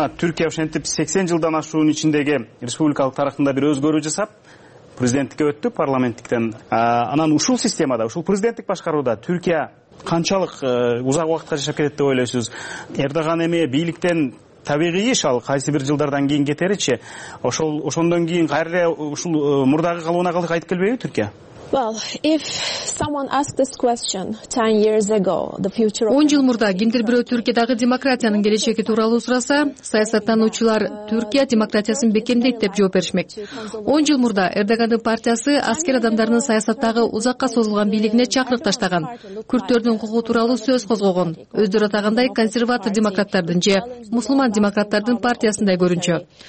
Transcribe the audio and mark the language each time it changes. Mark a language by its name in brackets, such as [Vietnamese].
[Kyrgyz] Мына Түркия ушентип 80 жылдан ашуунун ичиндеги республикалык тарыхында бир өзгөрүү жасап президенттикке өттү, парламенттиктен. Анан ушул системада, ушул президенттик башкарууда Түркия канчалык узак убакытка жашап кетет деп ойлойсуз? Эрдоган эми бийликтен табигый иш, ал кайсы бир жылдардан кийин кетеричи. Ошондон кийин кайра эле ушул мурдагы калыбына калып кайтып келбейби Түркия? [English] Well, if someone asked this question 10 years ago, the future of [Kyrgyz] 10 жыл мурда кимдир бирөө Түркиядагы демократиянын келечеги тууралуу сураса, саясаттануучулар Түркия демократиясын бекемдейт деп жооп беришмек. 10 жыл мурда Эрдогандын партиясы аскер адамдарынын саясаттагы узакка созулган бийлигине чакырык таштаган, күрдтөрдүн укугу тууралуу сөз козгогон, өздөрү атагандай консерватор демократтардын же мусулман демократтардын партиясындай көрүнчү.